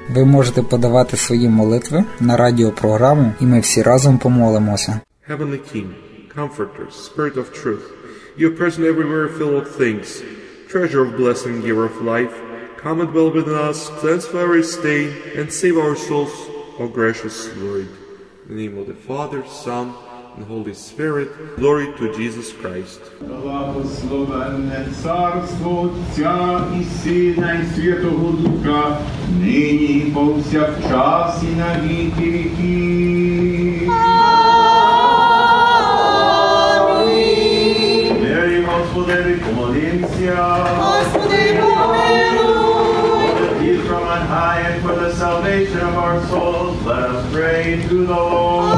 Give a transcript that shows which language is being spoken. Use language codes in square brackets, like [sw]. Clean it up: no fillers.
[uk] Ви можете подавати свої молитви на радіопрограму, і ми всі разом помолимося. [en] Heavenly King, Comforter, Spirit of Truth, You person everywhere filled with things, treasure of blessing, giver of life, come and dwell within us, cleanse every stain, and save our souls, O gracious Lord. In the name of the Father, Son, and Holy Spirit, glory to Jesus Christ. [uk] Благословенне царство Отця і Сина, і Святого Духа, нині і повсякчас і на віки віки. Амінь. Вірі, Господи, помолімся. Господи, помилуй. [en] Lift up from on high and for the salvation of our souls, let us pray to the Lord.